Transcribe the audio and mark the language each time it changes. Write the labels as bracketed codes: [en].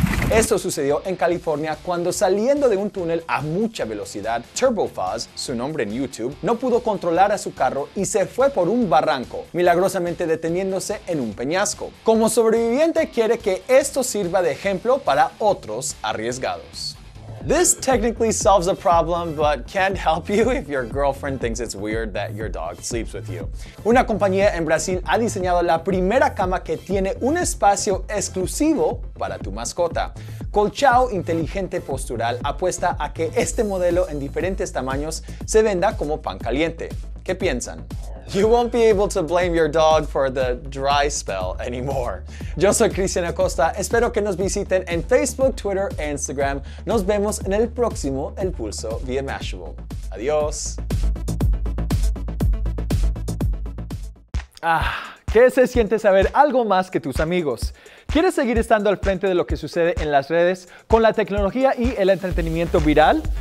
[es] Esto sucedió en California cuando, saliendo de un túnel a mucha velocidad, TurboFuzz, su nombre en YouTube, no pudo controlar a su carro y se fue por un barranco, milagrosamente deteniéndose en un peñasco. Como sobreviviente, quiere que esto sirva de ejemplo para otros arriesgados. [en] This technically solves a problem, but can't help you if your girlfriend thinks it's weird that your dog sleeps with you. [es] Una compañía en Brasil ha diseñado la primera cama que tiene un espacio exclusivo para tu mascota. Colchao Inteligente Postural apuesta a que este modelo en diferentes tamaños se venda como pan caliente. ¿Qué piensan? [en] You won't be able to blame your dog for the dry spell anymore. [es] Yo soy Cristian Acosta. Espero que nos visiten en Facebook, Twitter e Instagram. Nos vemos en el próximo El Pulso vía Mashable. Adiós. ¿Qué se siente saber algo más que tus amigos? ¿Quieres seguir estando al frente de lo que sucede en las redes con la tecnología y el entretenimiento viral?